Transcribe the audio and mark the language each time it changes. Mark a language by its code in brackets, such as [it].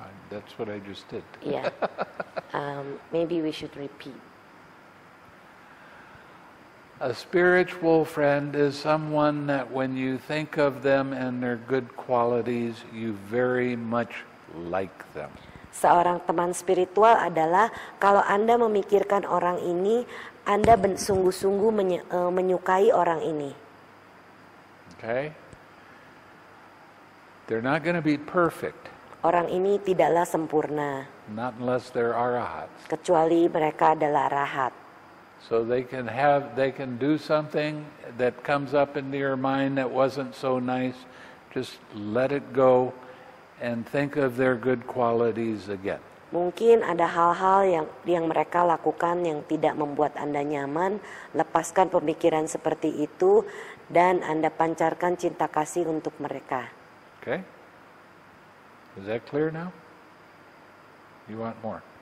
[en] That's what I just did. Yeah. Maybe we should repeat. A spiritual friend is someone that when you think of them and their good qualities, you very much like them. [id] Seorang teman spiritual adalah kalau Anda memikirkan orang ini, Anda sungguh-sungguh menyukai orang ini. [en] Okay. They're not going to be perfect. [id] Orang ini tidaklah sempurna. [en] Not unless they're arahats. [id] Kecuali mereka adalah arahat. [en] So they can do something that comes up in your mind that wasn't so nice. Just let it go and think of their good qualities again. [id] Mungkin ada hal-hal yang mereka lakukan yang tidak membuat Anda nyaman, lepaskan pemikiran seperti itu dan Anda pancarkan cinta kasih untuk mereka. [en] Okay. Is that clear now? You want more?